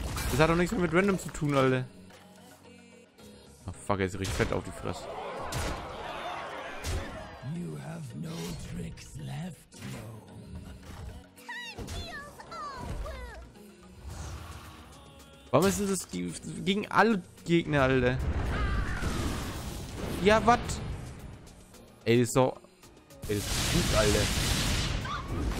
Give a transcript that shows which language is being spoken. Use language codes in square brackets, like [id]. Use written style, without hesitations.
[de] Das hat doch nichts mehr mit Random zu tun, Alter. Oh, fuck, jetzt riecht fett auf die Fresse. [en] You have no tricks left, no. [de] Warum ist das gegen alle Gegner, Alter? Ja, was? Ey, das ist doch... Ey, das ist gut, Alter.